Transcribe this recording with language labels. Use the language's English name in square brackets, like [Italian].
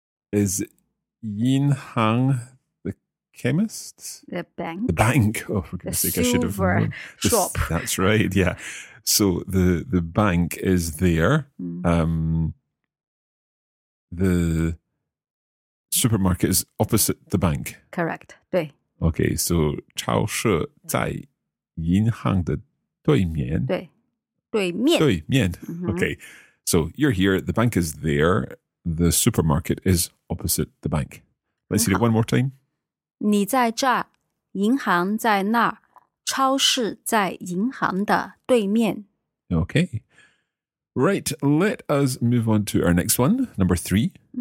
[English] Is 银行 the chemist? The bank. The bank. Oh, for goodness sake, I should have known. The shop. That's right, yeah. So the bank is there. The supermarket is opposite the bank. Correct, 对. Okay, so [Chinese] 超市在银行的对面. 对面. [English] Mm-hmm. Okay, so you're here, the bank is there, the supermarket is opposite the bank. Let's see it one more time. [Chinese] 你在这儿,银行在那儿,超市在银行的对面. [English] Okay. Right, let us move on to our next one, number three.